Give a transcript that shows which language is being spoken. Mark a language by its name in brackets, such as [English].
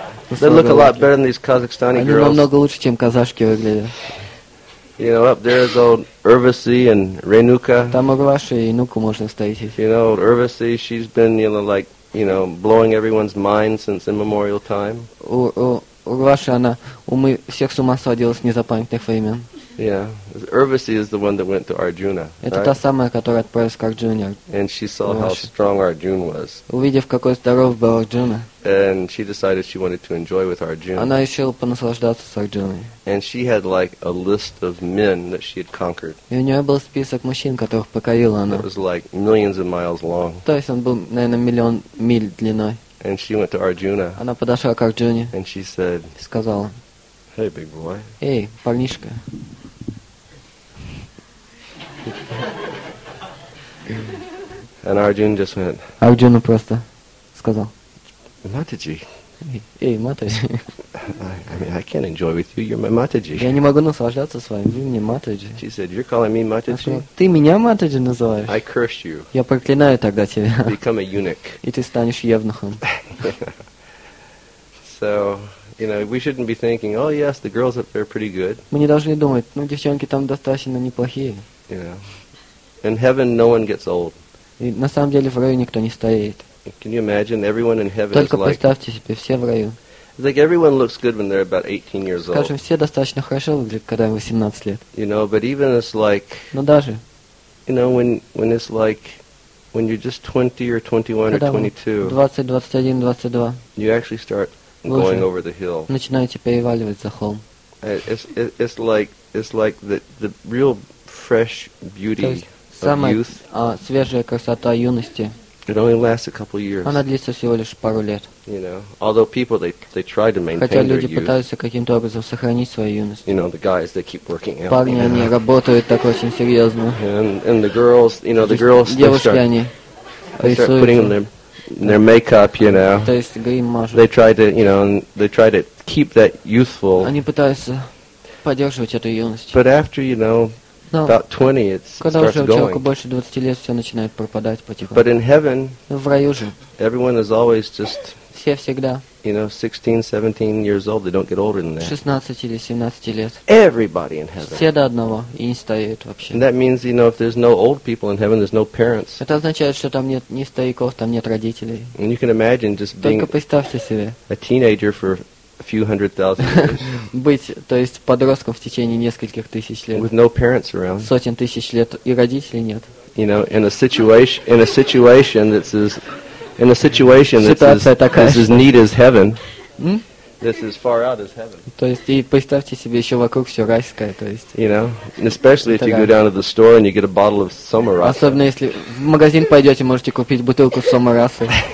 [English] They look a lot better than these Kazakhstani girls. [Russian] Они намного лучше, чем казашки выглядят. [English] You know, up there is old Urvasi and Renuka. [Russian] Там Урваши и Инуку можно встретить. [English] You know, old Urvasi, she's been, you know, like, you know, blowing everyone's mind since immemorial time. [Russian] Урваши, она всех с ума сводила с незапамятных времен. [English] Yeah, Urvasi is the one that went to Arjuna. [Russian] Это та самая, которая отправилась к Арджуне. [English] And she saw how strong Arjuna was. [Russian] Увидев, какой здоров был Арджуна. [English] And she decided she wanted to enjoy with Arjuna. [Russian] Она решила понаслаждаться с Арджуной. [English] And she had like a list of men that she had conquered. [Russian] И у нее был список мужчин, которых покорила она. [English] It was like millions of miles long. [Russian] То есть он был, наверное, миллион миль длиной. [English] And she went to Arjuna. [Russian] Она подошла к Арджуне. [English] And she said. [Russian] Сказала. [English] Hey, big boy. [Russian] Эй, парнишка. [English] And Arjuna just went. [Russian] Арджуна просто сказал. Матаджи. Эй, матаджи. [English] I mean, I can't enjoy with you. You're my матаджи. [Russian] Я не могу наслаждаться с вами. Вы мне матаджи. [English] She said, "You're calling me матаджи." [Russian] Ты меня матаджи называешь? [English] I curse you. [Russian] Я проклинаю тогда тебя. [English] Become a eunuch. [Russian] И ты станешь евнухом. [English] So, you know, we shouldn't be thinking, "Oh yes, the girls up there are pretty good." [Russian] Мы не должны думать, ну девчонки там достаточно неплохие. [English] You know, in heaven, no one gets old. [Russian] И на самом деле в раю никто не стареет. [English] Can you imagine everyone in heaven [Russian] Только [English] is like? [Russian] Только представьте себе, все в раю. [English] It's like everyone looks good when they're about 18 years old. [Russian] Скажем, все достаточно хорошо выглядят, когда им 18 лет. [English] You know, but even it's like. [Russian] Но даже. [English] You know, when it's like, when you're just 20 or 21 [Russian] когда [English] or 22. [Russian] 20, 21, 22. [English] You actually start going over the hill. [Russian] Начинаете переваливать за холм. [English] It's like the real fresh beauty [Russian] самая, [English] of youth. [Russian] Свежая красота юности. [English] It only lasts a couple years. [Russian] Она длится всего лишь пару лет. [English] You know, although people they try to maintain [Russian] Хотя [English] their [Russian] люди [English] youth. [Russian] Пытаются каким-то образом сохранить свою юность. [English] You know, the guys they keep working out. [Russian] Парни [English] you know. [Russian] Они работают так очень серьезно. [English] And the girls, you know, the girls [Russian] Девушки, [English] they start putting on their makeup, you know. [Russian] То есть грим мажут. [English] They try to, you know, they try to keep that youthful. [Russian] Они пытаются поддерживать эту юность. [English] But after, you know. [Russian] Но [English] About 20, it [Russian] когда [English] starts [Russian] уже у человека [English] going. [Russian] Больше 20 лет, все начинает пропадать потихоньку. [English] But in heaven, [Russian] в раю же, [English] everyone is always just, [Russian] все всегда, [English] you know, 16, 17 years old, they don't get older than that. [Russian] 16 или 17 лет. [English] Everybody in heaven. [Russian] Все до одного и не стареют вообще. [English] And that means, you know, if there's no old people in heaven, there's no parents. [Russian] Это означает, что там нет ни стариков, там нет родителей. [English] And you can imagine just [Russian] Только [English] being [Russian] представьте себе. [English] A teenager for A few hundred thousand years. [Russian] Быть, то есть подростком в течение нескольких тысяч лет. [English] With no parents around. [Russian] Сотен тысяч лет и родителей нет. [English] You know, in a situation that's as neat as heaven. This is far out as heaven. [Russian] То есть и представьте себе еще вокруг все райское, то есть. [English] You know, especially if you go down to the store and you get a bottle of Somarasa. [Russian] Особенно если в магазин пойдете, можете купить бутылку Somarasa.